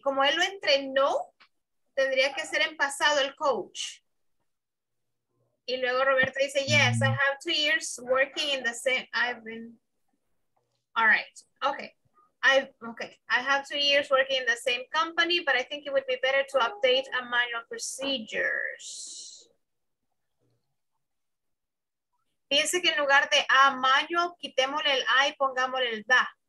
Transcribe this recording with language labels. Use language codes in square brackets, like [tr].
[es] Como él lo entrenó, tendría que ser en pasado el coach. Y luego Roberto dice, [en] yes, I have 2 years working in the same, I've been, all right, okay. I have 2 years working in the same company, but I think it would be better to update a manual procedures. [es] Piense que en lugar de a manual, quitémosle el a y pongámosle el da.